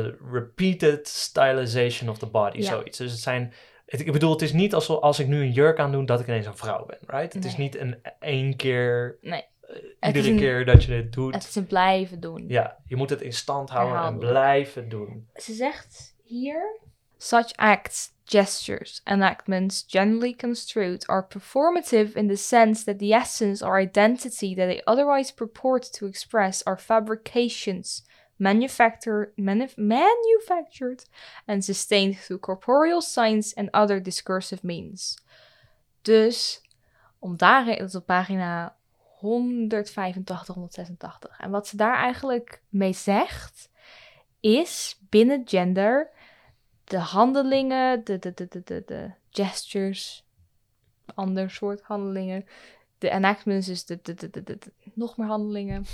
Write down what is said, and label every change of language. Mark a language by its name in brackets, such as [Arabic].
[English] Repeated stylization of the body, [Dutch] zoiets. Dus ik bedoel, het is niet alsof als ik nu een jurk aan doe, dat ik ineens een vrouw ben, right? Het is niet iedere keer dat je dit doet. Het is een blijven doen. Ja, je moet het in stand houden en blijven doen. Ze zegt hier, [English] such acts, gestures, enactments generally construed are performative in the sense that the essence or identity that they otherwise purport to express are fabrications manufactured and sustained through corporeal signs and other discursive means. [Dutch] Dus, om daar is het op pagina 185, 186. En wat ze daar eigenlijk mee zegt, is binnen gender de handelingen, de gestures, ander soort handelingen, de enactments, dus de nog meer handelingen.